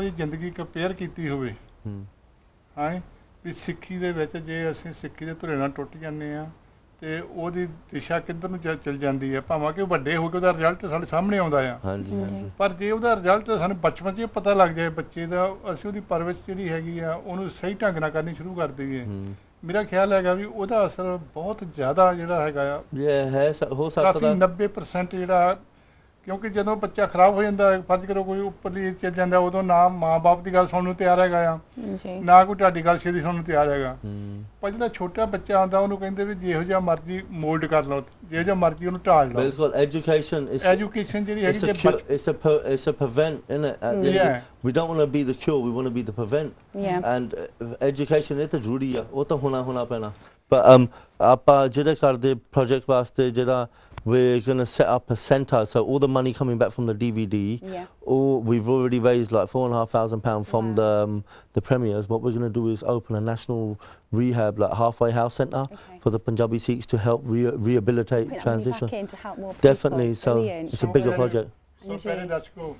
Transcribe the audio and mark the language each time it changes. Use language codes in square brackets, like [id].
[en] So, I have a question about the issue of grooming. [pa] ਹਾਂ ਵੀ ਸਿੱਖੀ ਦੇ ਵਿੱਚ ਜੇ ਅਸੀਂ ਸਿੱਖੀ ਦੇ ਧੁਰੇ ਨਾਲ ਟੁੱਟ ਜਾਂਦੇ ਆ ਤੇ ਉਹਦੀ ਦਿਸ਼ਾ ਕਿੱਧਰ ਨੂੰ ਚੱਲ ਜਾਂਦੀ ਹੈ ਭਾਵੇਂ ਕਿ ਵੱਡੇ ਹੋ ਕੇ ਉਹਦਾ ਰਿਜ਼ਲਟ ਸਾਡੇ ਸਾਹਮਣੇ ਆਉਂਦਾ ਆ ਹਾਂਜੀ ਹਾਂਜੀ ਪਰ ਜੇ ਉਹਦਾ ਰਿਜ਼ਲਟ ਸਾਨੂੰ ਬਚਪਨ 'ਚ ਪਤਾ ਲੱਗ ਜਾਏ ਬੱਚੇ ਦਾ ਅਸੀਂ ਉਹਦੀ ਪਰਵਰਿਸ਼ ਜਿਹੜੀ ਹੈਗੀ ਆ ਉਹਨੂੰ ਸਹੀ ਢੰਗ ਨਾਲ ਕਰਨੀ ਸ਼ੁਰੂ ਕਰ ਦਈਏ ਮੇਰਾ ਖਿਆਲ ਹੈਗਾ ਵੀ ਉਹਦਾ ਅਸਰ ਬਹੁਤ ਜ਼ਿਆਦਾ ਜਿਹੜਾ ਹੈਗਾ ਆ ਹੋ ਸਕਦਾ ਕਾਫੀ 90% ਜਿਹੜਾ ਕਿਉਂਕਿ ਜਦੋਂ ਬੱਚਾ ਖਰਾਬ ਹੋ ਜਾਂਦਾ ਫਰਜ ਕਰੋ ਕੋਈ ਉੱਪਰਲੀ ਚੱਲ ਜਾਂਦਾ ਉਦੋਂ ਨਾ ਮਾਂ ਬਾਪ ਦੀ ਗੱਲ ਸੁਣਨ ਨੂੰ ਤਿਆਰ ਹੈਗਾ ਆ ਨਾ ਕੋਈ ਤੁਹਾਡੀ ਗੱਲ ਛੇਦੀ ਸੁਣਨ ਨੂੰ ਤਿਆਰ ਹੈਗਾ ਪਰ ਜਿਹੜਾ ਛੋਟਾ ਬੱਚਾ ਆਉਂਦਾ ਉਹਨੂੰ ਕਹਿੰਦੇ ਵੀ ਜਿਹੋ ਜਿਹਾ ਮਰਜ਼ੀ ਮੋਲਡ ਕਰ ਲਓ ਜਿਹੋ ਜਿਹਾ ਮਰਜ਼ੀ ਉਹਨੂੰ ਢਾਲ ਲਓ ਬਿਲਕੁਲ ਐਜੂਕੇਸ਼ਨ ਇਸ ਐਜੂਕੇਸ਼ਨ ਜਿਹੜੀ [en] ਹੈ it's a prevent in it we don't want to be the cure we want to be the prevent and education [pa] ਇਹ ਤਾਂ ਜ਼ਰੂਰੀ ਆ ਉਹ ਤਾਂ ਹੋਣਾ ਪੈਣਾ ਪਰ ਆਪਾਂ ਜਿਹੜੇ ਕਰਦੇ ਪ੍ਰੋਜੈਕਟ ਵਾਸਤੇ ਜਿਹੜਾ [en] We're going to set up a centre, so all the money coming back from the DVD, we've already raised like £4,500 from the premiers. What we're going to do is open a national rehab, like halfway house centre for the Punjabi Sikhs to help rehabilitate, put transition. Back in to help more people. Definitely, so it's a bigger project.